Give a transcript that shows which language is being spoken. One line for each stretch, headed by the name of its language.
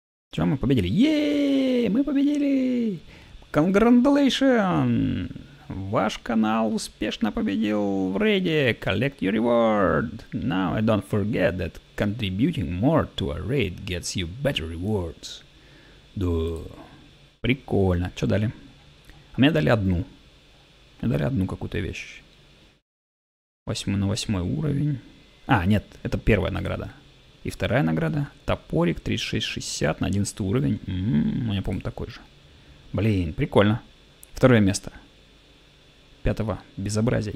Russian: Чего мы победили? Еее, мы победили!
English: Congratulations!
Russian: Ваш канал успешно победил в рейде.
English: Collect your reward. Now I don't forget that contributing more to a raid gets you better rewards.
Russian: Да. Прикольно. Что дали? Мне дали одну. Мне дали одну какую-то вещь. 8-8 уровень. А, нет, это первая награда. И вторая награда. Топорик 3660 на 11 уровень. У меня, по-моему, такой же. Блин, прикольно. Второе место. 5-го. Безобразие.